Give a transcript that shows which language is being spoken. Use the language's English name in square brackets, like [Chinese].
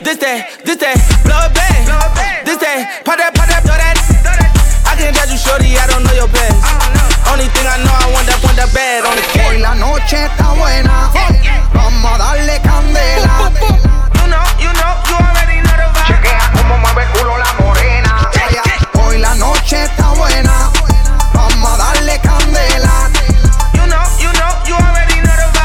[English] This that, blow it back. This that, pop that, throw that. I can't judge you, shorty, I don't know your past. Only thing I know, I want that bad on the [Spanish] cat. Hoy la noche está buena, vamos a darle candela. [English] You know, you already know the vibe. [Spanish] Chequea como mueve culo la morena. Hoy la noche está buena, vamos a darle candela. [English] You know, you already know the vibe.